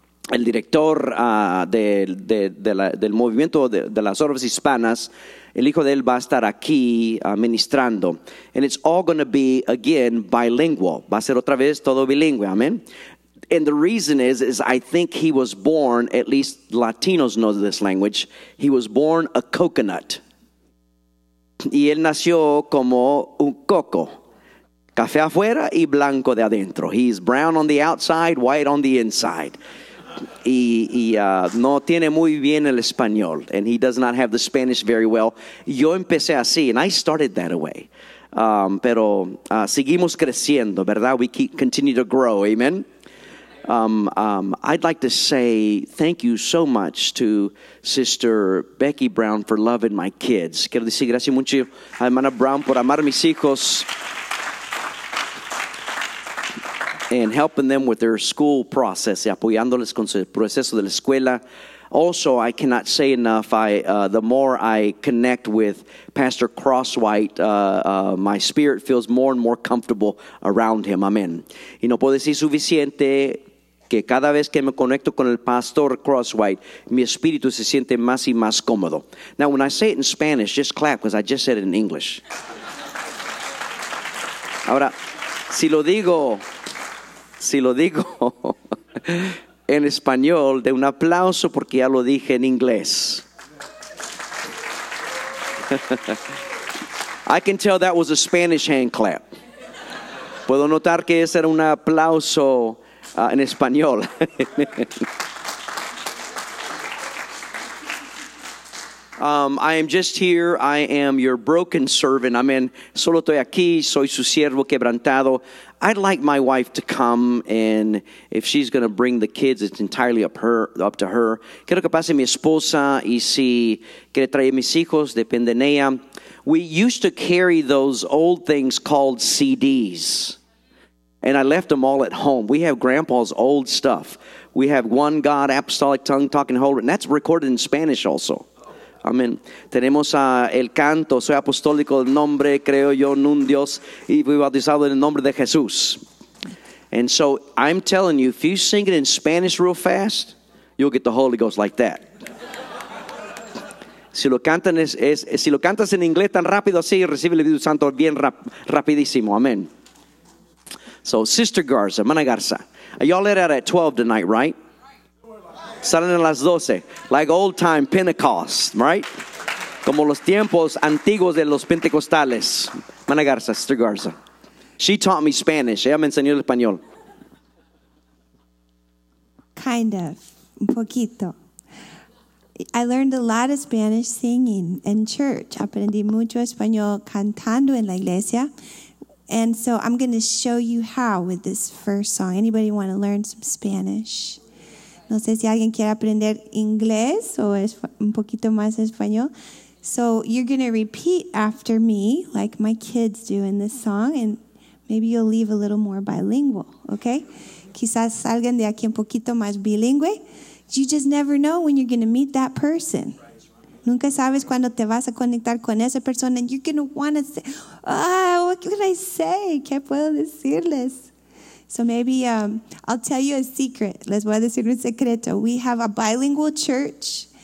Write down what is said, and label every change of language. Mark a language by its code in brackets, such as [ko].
[es] El director del movimiento de las obras hispanas, el hijo de él va a estar aquí ministrando. [en] And it's all going to be, again, bilingual. [es] Va a ser otra vez todo bilingüe, amen. [en] And the reason is I think he was born, at least Latinos know this language, he was born a coconut. [es] Y él nació como un coco. Café afuera y blanco de adentro. [en] He's brown on the outside, white on the inside. [es] Y no tiene muy bien el español. [en] And he does not have the Spanish very well. [es] Yo empecé así, [en] and I started that way. [es] Pero seguimos creciendo, ¿verdad? [en] We keep, continue to grow, amen? I'd like to say thank you so much to Sister Becky Brown for loving my kids. [es] Quiero decir gracias mucho a hermana Brown por amar a mis hijos [en] and helping them with their school process, [es] apoyándoles con su proceso de la escuela. [en] Also, I cannot say enough, the more I connect with Pastor Crosswhite, my spirit feels more and more comfortable around him. Amen. [es] Y no puedo decir suficiente que cada vez que me conecto con el Pastor Crosswhite, mi espíritu se siente más y más cómodo. [en] Now, when I say it in Spanish, just clap, because I just said it in English. [es] Ahora, si lo digo en español, de un aplauso porque ya lo dije en inglés. [en] I can tell that was a Spanish hand clap. [es] Puedo notar que ese era un aplauso en español. [en] I am just here. I am your broken servant. Amen. [es] Solo estoy aquí. Soy su siervo quebrantado. [en] I'd like my wife to come, and if she's going to bring the kids, it's entirely up to her. [es] Quiero que pase mi esposa, y si quiere traer mis hijos, depende de ella. [en] We used to carry those old things called CDs, and I left them all at home. We have grandpa's old stuff. We have One God, Apostolic Tongue, Talking Holder, and that's recorded in Spanish also. Amen. [es] Tenemos el canto, soy apostólico del nombre, creo yo en un Dios, y fui bautizado en el nombre de Jesús. [en] And so I'm telling you, if you sing it in Spanish real fast, you'll get the Holy Ghost like that. [es] Si lo cantas en inglés tan rápido así, recibe el Espíritu Santo bien rapidísimo. [en] Amen. So Sister Garza, hermana Garza, y'all let out at 12 tonight, right? [es] Salen a las 12, [en] like old time Pentecost, right? [es] Como los tiempos antiguos de los pentecostales. Mana Garza, Sister Garza. [en] She taught me Spanish. [es] Ella me enseñó el español. [en] Kind of. [es] Un poquito. [en] I learned a lot of Spanish singing in church. [es] Aprendí mucho español cantando en la iglesia. [en] And so I'm going to show you how with this first song. Anybody want to learn some Spanish? [es] No sé si alguien quiere aprender inglés o es un poquito más español. [en] So you're going to repeat after me, like my kids do in this song, and maybe you'll leave a little more bilingual, okay? [es] Quizás salgan de aquí un poquito más bilingüe. [en] You just never know when you're going to meet that person. [es] Nunca sabes cuándo te vas a conectar con esa persona, [en] and you're going to want to say, what can I say? [es] ¿Qué puedo decirles? [en] So maybe I'll tell you a secret. [es] Les voy a decir un secreto. [en] We have a bilingual church.